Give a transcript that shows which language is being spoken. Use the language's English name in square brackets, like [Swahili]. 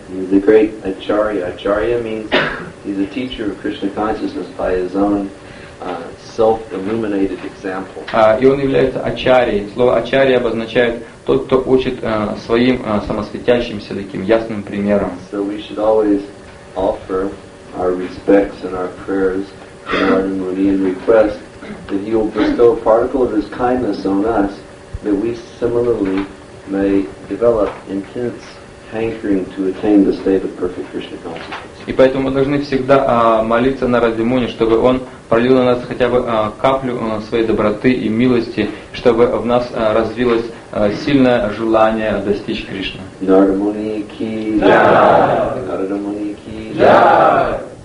[English] Acharya means he's a teacher of Krishna consciousness by his own self-illuminated example. [Russian] И он является ачарьей. Слово ачарья обозначает тот, кто учит своим самосветящимся таким ясным примером. [English] So we should always offer our respects and our prayers to Narada Muni and request that he will bestow a particle of his kindness on us, that we similarly may develop intense hankering to attain the state of perfect Krishna consciousness. [Russian] И поэтому мы должны всегда молиться Нараде Муни, чтобы он пролил на нас хотя бы каплю своей доброты и милости, чтобы в нас развилось сильное желание достичь Кришны. [Hindi] Narada Muni ki jai. Narada Muni ki jai.